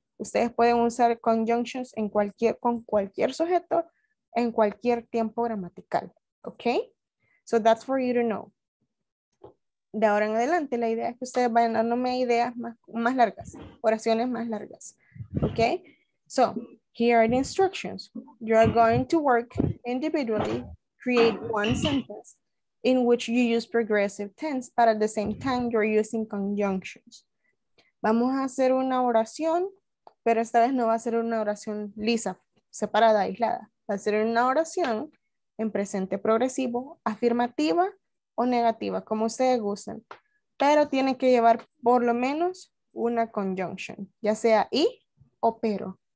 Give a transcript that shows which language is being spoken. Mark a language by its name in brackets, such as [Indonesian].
[Spanish] Ustedes pueden usar conjunctions en cualquier, con cualquier sujeto, en cualquier tiempo gramatical. ¿Ok? [English] So that's for you to know. [Spanish] De ahora en adelante, la idea es que ustedes vayan dándome ideas más largas, oraciones más largas. [English] ¿Ok? So, here are the instructions. You are going to work individually, create one sentence in which you use progressive tense, but at the same time, you're using conjunctions. [Spanish] Vamos a hacer una oración. Pero esta vez no va a ser una oración lisa, separada, aislada. Va a ser una oración en presente progresivo, afirmativa o negativa, como ustedes gusten. Pero tiene que llevar por lo menos una conjunction, ya sea y o pero.